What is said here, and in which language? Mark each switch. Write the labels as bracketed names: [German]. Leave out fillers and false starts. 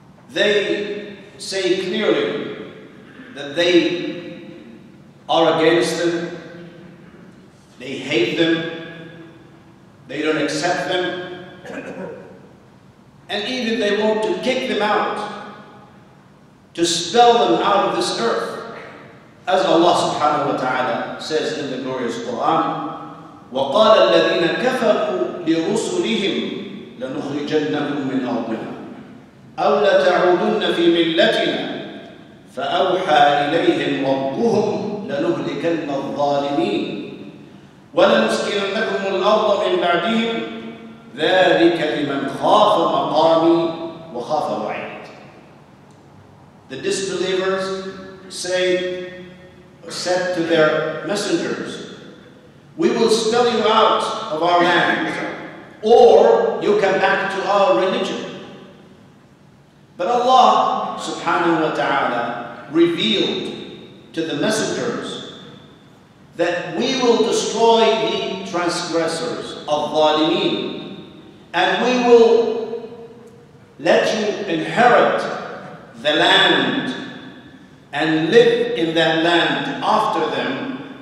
[English] They say clearly that they are against them, They hate them. They don't accept them. And even they want to kick them out, to spell them out of this earth. As Allah subhanahu wa ta'ala says in the glorious Quran, [Arabic] وَقَالَ الَّذِينَ كَفَرُوا لِرُسُلِهِمْ لَنُخْرِجَنَّهُمْ مِنْ أَرْضِنَا أَوْ لَتَعُودُنَّ فِي مِلَّتِنَا فَأَوْحَى إِلَيْهِمْ رَبُّهُمْ لَنُهْلِكَنَّ الظَّالِمِينَ وَلَنُسْكِنَنَّكُمُ الْأَرْضَ مِنْ بَعْدِهِمْ ذَلِكَ لِمَنْ خَافَ مَقَامِي وَخَافَ وَعِيدِ. [English] The disbelievers say, or said to their messengers, we will spell you out of our land, or you come back to our religion. But Allah subhanahu wa ta'ala revealed to the messengers that we will destroy the transgressors of Zalimeen, and we will let you inherit the land and live in that land after them.